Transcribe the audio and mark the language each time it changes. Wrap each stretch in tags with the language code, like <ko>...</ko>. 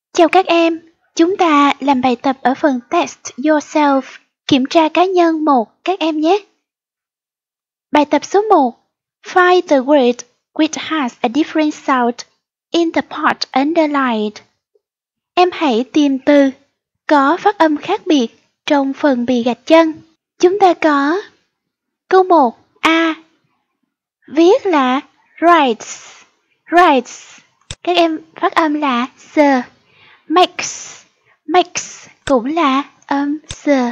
<vi>Chào các em, chúng ta làm bài tập ở phần Test Yourself, kiểm tra cá nhân 1 các em nhé. Bài tập số 1.</vi> <en>Find the word which has a different sound in the part underlined.</en> <vi>Em hãy tìm từ có phát âm khác biệt trong phần bị gạch chân. Chúng ta có câu 1 A. Viết là writes. Writes. Các em phát âm là s. Makes, makes cũng là âm s.</vi>